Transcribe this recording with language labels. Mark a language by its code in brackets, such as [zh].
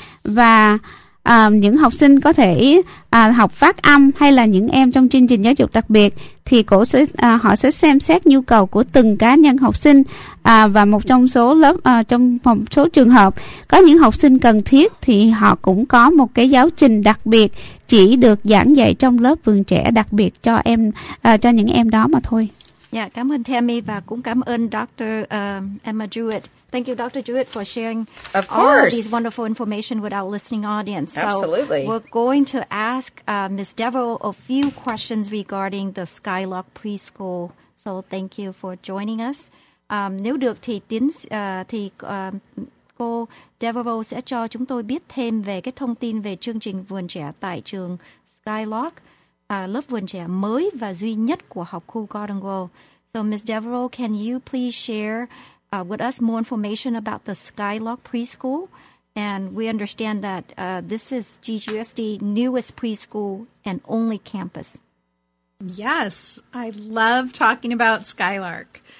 [vi] Và những học sinh có thể học phát âm hay là những em trong chương trình giáo dục đặc biệt thì cổ sẽ họ sẽ xem xét nhu cầu của từng cá nhân học sinh, và một trong số lớp trong một số trường hợp có những học sinh cần thiết thì họ cũng có một cái giáo trình đặc biệt chỉ được giảng dạy trong lớp vườn trẻ đặc biệt cho em cho những em đó mà thôi. Dạ, cảm ơn Tammy và cũng cảm ơn Dr. [en] Emma Jewett. Thank you, Dr. Jewett, for sharing all of these wonderful information with our listening audience. Absolutely. So we're going to ask Ms. Devereaux a few questions regarding the Skylark Preschool. So thank you for joining us. [vi] Nếu được thì cô Devereaux sẽ cho chúng tôi biết thêm về cái thông tin về chương trình vườn trẻ tại trường Skylark, lớp vườn trẻ mới và duy nhất của học khu Garden Grove. [en] So Ms. Devereaux, can you please share with us more information about the Skylark Preschool? And we understand that this is GGUSD's newest preschool and only campus. Yes, I love talking about Skylark.